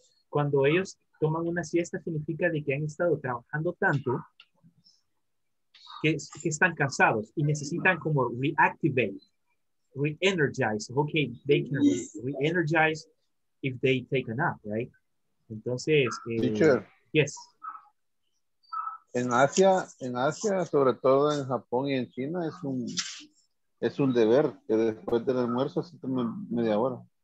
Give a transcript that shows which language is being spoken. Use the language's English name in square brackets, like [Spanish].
[Spanish] Cuando ellos toman una siesta significa de que han estado trabajando tanto que están cansados y necesitan como reenergize. [English] Okay, they can reenergize if they take a nap, right? [Spanish] Entonces [English] teacher, yes. [Spanish] En Asia, sobre todo en Japón y en China, es un deber que después del almuerzo se tome media hora.